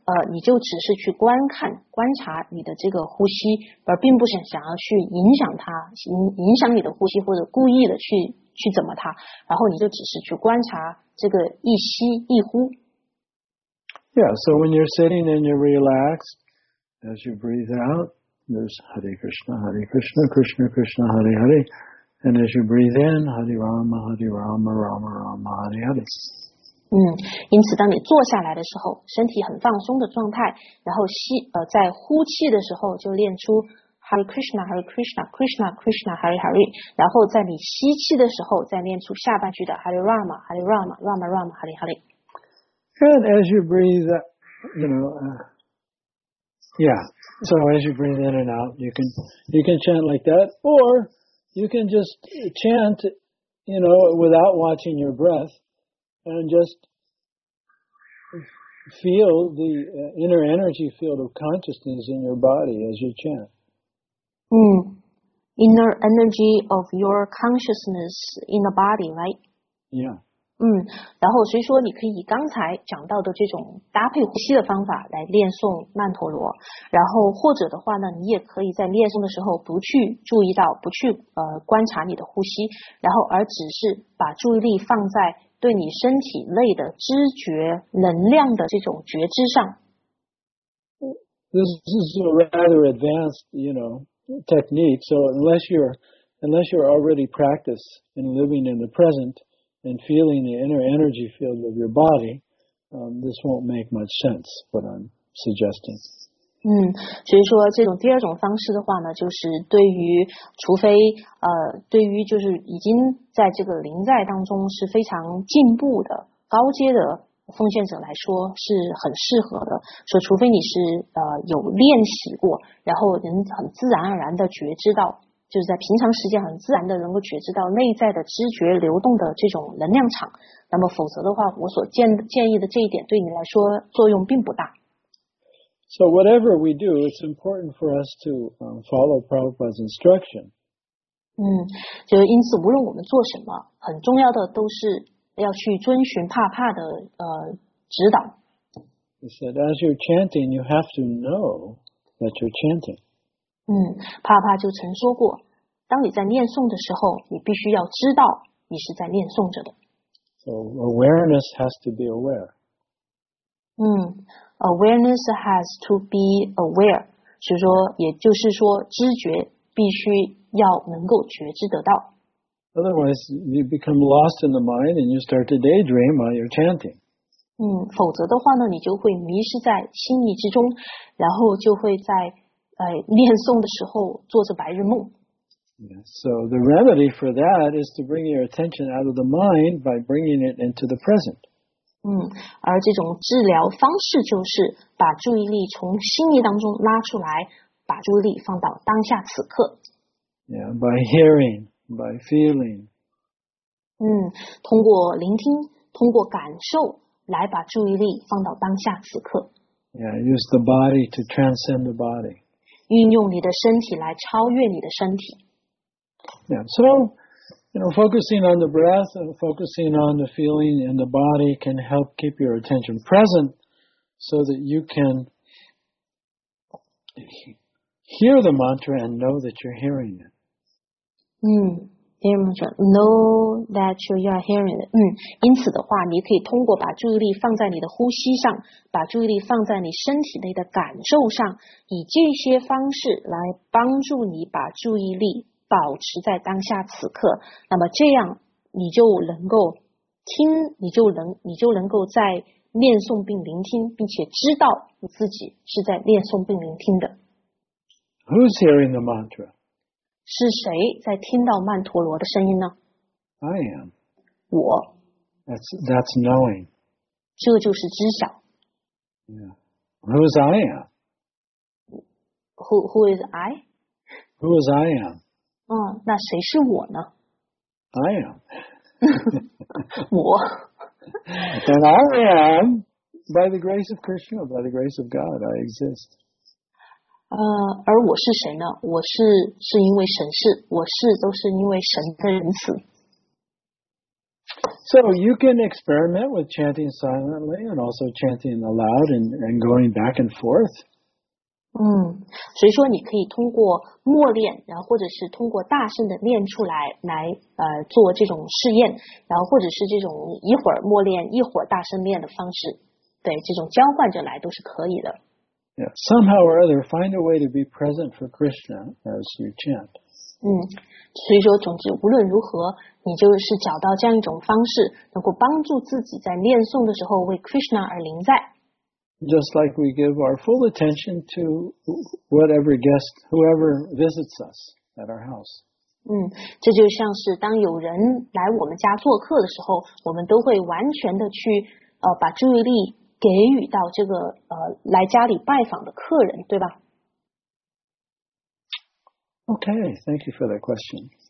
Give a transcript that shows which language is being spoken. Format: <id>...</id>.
<zh>你就只是去观察你的这个呼吸，而并不想要去影响它，影响你的呼吸，或者故意的去怎么它，然后你就只是去观察这个一吸一呼。</zh> <en>Yeah, so when you're sitting and you're relaxed, as you breathe out, there's Hare Krishna, Hare Krishna, Krishna Krishna, Hare Hare, and as you breathe in, Hare Rama, Hare Rama, Rama Rama, Hare Hare.</en> <zh>因此当你坐下来的时候，身体很放松的状态，然后在呼气的时候就练出 Hare Krishna, Hare Krishna, Krishna Krishna, Hare Hare, 然后在你吸气的时候再练出下半句的 Hare Rama, Hare Rama, Rama Rama, Hare Hare.</zh> <en>And as you breathe, you know, so as you breathe in and out, you can chant like that, or you can just chant, you know, without watching your breath. And just feel the inner energy field of consciousness in your body as you chant. Inner energy of your consciousness in the body, right? Yeah.</en> <zh>然后所以说你可以以刚才讲到的这种搭配呼吸的方法来练诵曼陀罗，然后或者的话呢，你也可以在练诵的时候不去注意到，不去观察你的呼吸，然后而只是把注意力放在对你身体内的知觉能量的这种觉知上。</zh> <en>This is a rather advanced, you know, technique. So unless you're already practiced in living in the present and feeling the inner energy field of your body, this won't make much sense. What I'm suggesting.</en> <zh>所以说这种第二种方式的话呢，就是对于除非对于就是已经在这个临在当中是非常进步的高阶的奉献者来说是很适合的，说除非你是有练习过，然后能很自然而然的觉知到，就是在平常时间很自然的能够觉知到内在的知觉流动的这种能量场，那么否则的话我所建议的这一点对你来说作用并不大。</zh> <en>So whatever we do, it's important for us to follow Prabhupada's instruction.</en> <zh>就因此无论我们做什么，很重要的都是要去遵循帕的指导。</zh> <en>He said, as you're chanting, you have to know that you're chanting.</en> <zh>帕就曾说过，当你在念诵的时候，你必须要知道你是在念诵着的。</zh> <en>So awareness has to be aware. Awareness has to be aware.</en> <zh>所以说也就是说知觉必须要能够觉知得到。</zh> <en>Otherwise, you become lost in the mind and you start to daydream while you're chanting.</en> <zh>否则的话呢，你就会迷失在心意之中，然后就会在念诵的时候做着白日梦。</zh> <en>So the remedy for that is to bring your attention out of the mind by bringing it into the present.</en> <zh>而这种治疗方式就是把注意力从心意当中拉出来，把注意力放到当下此刻。</zh> <en>Yeah, by hearing, by feeling.</en> <zh>通过聆听，通过感受来把注意力放到当下此刻。</zh> <en>Yeah, use the body to transcend the body.</en> <zh>运用你的身体来超越你的身体。</zh> <en>Yeah, so... You know, focusing on the breath and focusing on the feeling in the body can help keep your attention present so that you can hear the mantra and know that you're hearing it. Hear mantra, know that you are hearing it.</en> <zh>因此的话你可以通过把注意力放在你的呼吸上，把注意力放在你身体内的感受上，以这些方式来帮助你把注意力保持在当下此刻，那么这样你就能够听，你就能够在念诵并聆听，并且知道你自己是在念诵并聆听的。</zh> <en>Who's hearing the mantra?</en> <zh>是谁在听到曼陀罗的声音呢？</zh> <en>I am.</en> <zh>我。</zh> <en>That's knowing.</en> <zh>这就是知晓。</zh> <en>Yeah. Who is I am? Who is I? Who is I am?</en> <zh>那谁是我呢？</zh> <en>I am.</en> <zh>我。</zh> <en>And I am, by the grace of Krishna, by the grace of God, I exist.</en> <zh>而我是谁呢？我是因为神是，我是都是因为神的仁慈。</zh> <en>So you can experiment with chanting silently and also chanting aloud and going back and forth.</en> <zh>所以说你可以通过默练，然后或者是通过大声的练出来，来做这种试验，然后或者是这种一会儿默练，一会儿大声练的方式，对，这种交换着来都是可以的。</zh> <en>Yeah, somehow or other, find a way to be present for Krishna as you chant.</en> <zh>所以说总之无论如何，你就是找到这样一种方式，能够帮助自己在念诵的时候为 Krishna 而临在。</zh> <en>Just like we give our full attention to whatever guest, whoever visits us at our house.</en> <zh>这就像是当有人来我们家做客的时候，我们都会完全的去把注意力给予到这个来家里拜访的客人，对吧</zh> <en>？OK, thank you for that question.</en>